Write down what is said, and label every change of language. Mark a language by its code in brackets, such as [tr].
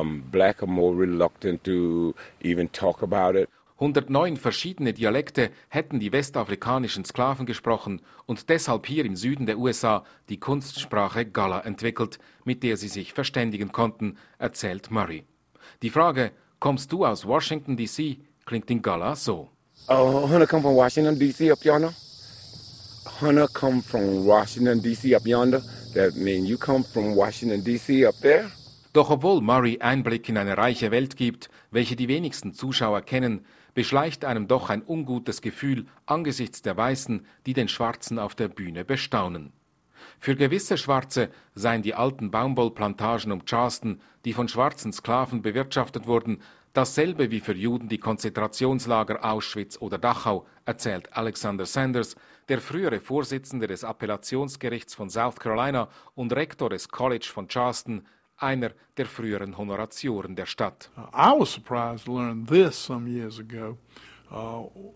[en] Black are more reluctant to even talk about it. [de] 109 verschiedene Dialekte hätten die westafrikanischen Sklaven gesprochen und deshalb hier im Süden der USA die Kunstsprache Gala entwickelt, mit der sie sich verständigen konnten, erzählt Murray. Die Frage, kommst du aus Washington D.C., klingt in Gala so. [en] Hunter come from Washington D.C. up yonder. Hunter come from Washington D.C. up yonder. That means you come from Washington D.C. up there. [de] Doch obwohl Murray Einblick in eine reiche Welt gibt, welche die wenigsten Zuschauer kennen, beschleicht einem doch ein ungutes Gefühl angesichts der Weißen, die den Schwarzen auf der Bühne bestaunen. Für gewisse Schwarze seien die alten Baumwollplantagen um Charleston, die von schwarzen Sklaven bewirtschaftet wurden, dasselbe wie für Juden die Konzentrationslager Auschwitz oder Dachau, erzählt Alexander Sanders, der frühere Vorsitzende des Appellationsgerichts von South Carolina und Rektor des College von Charleston, einer der früheren Honoratioren der Stadt. [en] I was surprised to learn this some years ago.